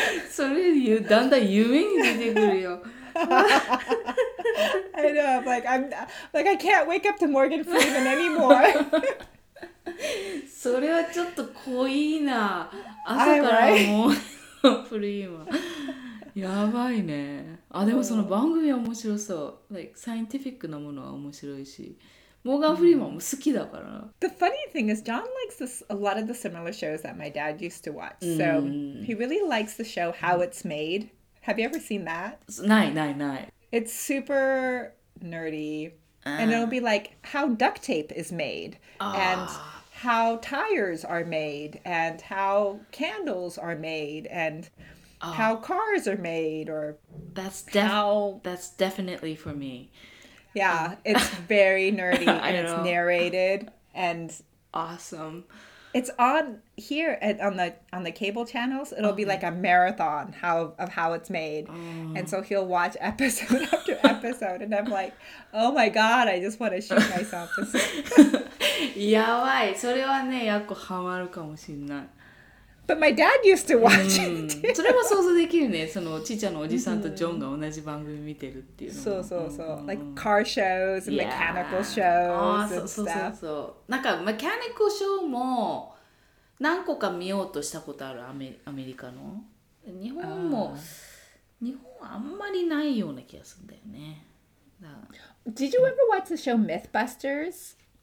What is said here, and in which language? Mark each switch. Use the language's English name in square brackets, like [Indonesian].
[Japanese] それ、だんだん夢に出てくるよ。 [English] I know, I'm like I can't wake up to Morgan Freeman anymore. [Japanese] それはちょっと濃いな。朝からもうフリーマン。やばいね。あ、でもその番組は面白そう。 [English] Like, [Japanese] サイエンティフィックなものは面白いし。モーガン・フリーマンも好きだから。 [English] The funny thing is, John likes this, a lot of the similar shows that my dad used to watch. So, he really likes the show How It's Made. Have you ever seen that? [Japanese] ないないない。 [English] It's super nerdy. And it'll be like, how duct tape is made. And... how tires are made and how candles are made and how cars are made or that's definitely for me. Yeah, it's very nerdy and it's narrated and awesome. It's on here on the cable channels. It'll be like a marathon of how it's made. And so he'll watch episode after episode and I'm like, oh my god, I just want to shoot myself to sleep. [Japanese] やばい。それはね、やっこハマるかもしんない。 [English] But my dad used to watch it. [Japanese] それも想像できるね。そのちいちゃんのおじさんとジョンが同じ番組見てるっていうのも。そうそうそう。 [English] Like car shows and mechanical shows and stuff. [Japanese] そうそうそう。なんか [English] mechanical show [Japanese] も何個か見ようとしたことある、アメリカの。日本も、日本はあんまりないような気がするんだよね。 [English] Did you ever watch the show Mythbusters?